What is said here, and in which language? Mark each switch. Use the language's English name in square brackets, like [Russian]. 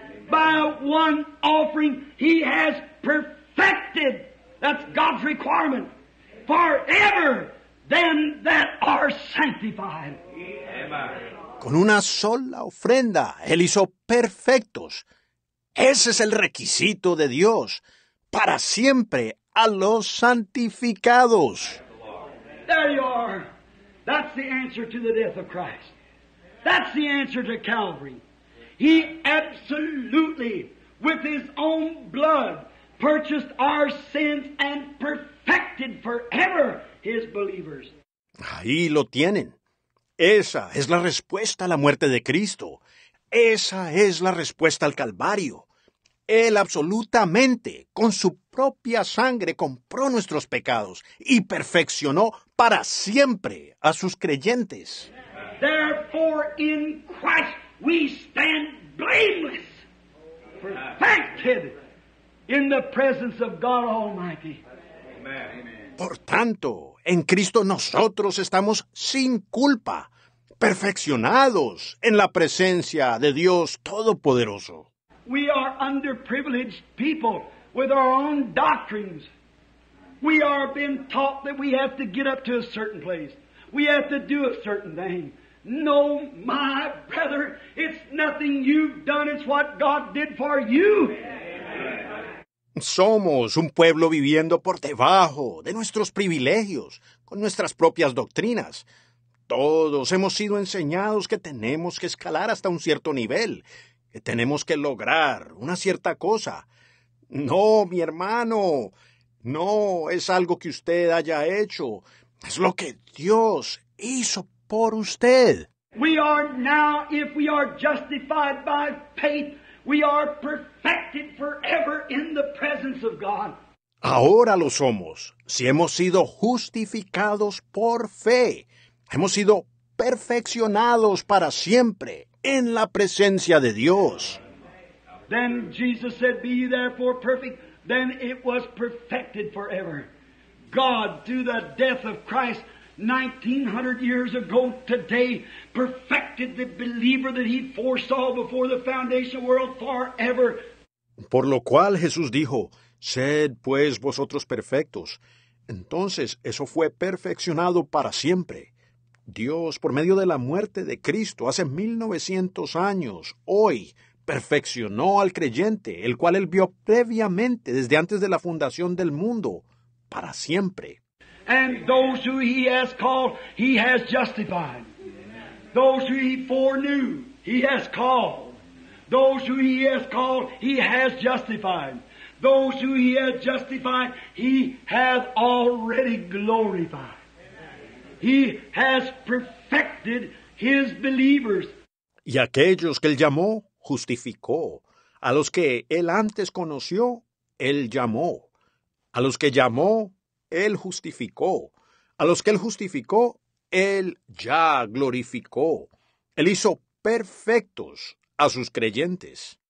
[English] By one offering, he has perfected, that's God's requirement, forever them that are sanctified. [Spanish] Con una sola ofrenda, él hizo perfectos. Ese es el requisito de Dios, para siempre a los santificados. [English] There you are. That's the answer to the death of Christ. That's the answer to Calvary. He absolutely, with his own blood, purchased our sins and perfected forever his believers. [Spanish] Ahí lo tienen. Esa es la respuesta a la muerte de Cristo. Esa es la respuesta al Calvario. Él absolutamente, con su propia sangre, compró nuestros pecados y perfeccionó para siempre a sus creyentes. [English] Therefore, in Christ we stand blameless, perfected in the presence of God Almighty. [Spanish] Por tanto, en Cristo nosotros estamos sin culpa, perfeccionados en la presencia de Dios Todopoderoso. [English] We are underprivileged people with our own doctrines. We are being taught that we have to get up to a certain place. We have to do a certain thing. No, my brother, it's nothing you've done, it's what God did for you. [Spanish] Somos un pueblo viviendo por debajo de nuestros privilegios, con nuestras propias doctrinas. Todos hemos sido enseñados que tenemos que escalar hasta un cierto nivel, que tenemos que lograr una cierta cosa. No, mi hermano, no es algo que usted haya hecho, es lo que Dios hizo por usted. [English] We are now, if we are justified by faith, we are perfected forever in the presence of God. [Spanish] Ahora lo somos, si hemos sido justificados por fe. Hemos sido perfeccionados para siempre en la presencia de Dios. [English] Then Jesus said, be ye therefore perfect. Then it was perfected forever. God, through the death of Christ, 1900 years ago today, perfected the believer that he foresaw before the foundation world forever. [Spanish] Por lo cual Jesús dijo, sed pues vosotros perfectos. Entonces eso fue perfeccionado para siempre. Dios, por medio de la muerte de Cristo hace 1900 años, hoy, perfeccionó al creyente, el cual él vio previamente desde antes de la fundación del mundo, para siempre. [English] And those who he has called, he has justified. Those who he foreknew, he has called. Those who he has called, he has justified. Those who he has justified, he has already glorified. He has perfected his believers. [Spanish] Y aquellos que él llamó, justificó. A los que él antes conoció, él llamó. A los que llamó, él justificó. A los que él justificó, él ya glorificó. Él hizo perfectos a sus creyentes.